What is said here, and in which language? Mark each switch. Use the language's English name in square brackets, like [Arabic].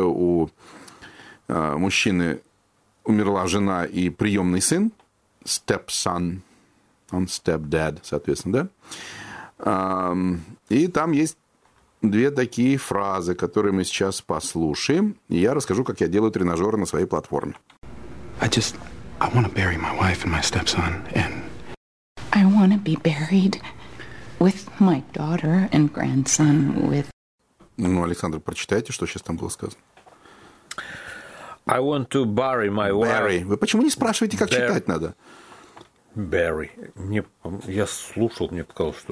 [Russian] У мужчины умерла жена и приемный сын, step-son, он step-dad, соответственно, да? И там есть две такие фразы, которые мы сейчас послушаем, и я расскажу, как я делаю тренажеры на своей платформе. [English] I want to bury my wife and my stepson, and I want to be buried with my daughter and grandson with. [Russian] Ну, Александр, прочитайте, что сейчас там было сказано. [English] I want to bury my wife. Bury. [Russian] Вы почему не спрашиваете, как читать надо? [English] Bury. [Russian] Мне, я слушал, мне показалось, что